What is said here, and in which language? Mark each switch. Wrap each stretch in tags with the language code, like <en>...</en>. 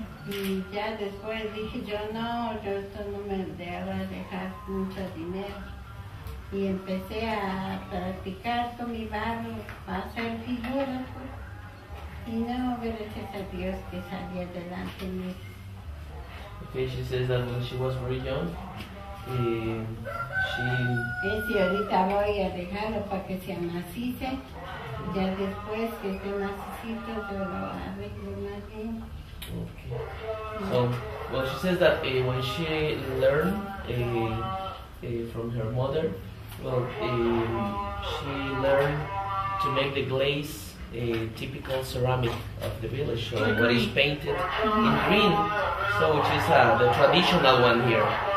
<es>Y ya después dije yo, no, yo esto no me debo dejar mucho dinero. Y empecé a practicar con mi barrio, a hacer figuras, pues. Y no, gracias a Dios que salí adelante de mí.</es> <en>Okay, she says that when she was very young, she...</en> <es>Sí, ahorita voy a dejarlo para que se amacice. Ya después que te necesito, yo lo arreglo más bien.</es> <en>Okay. So, well, she says that when she learned from her mother, well, she learned to make the glaze a typical ceramic of the village, so what is painted in green, so which is the traditional one here.</en>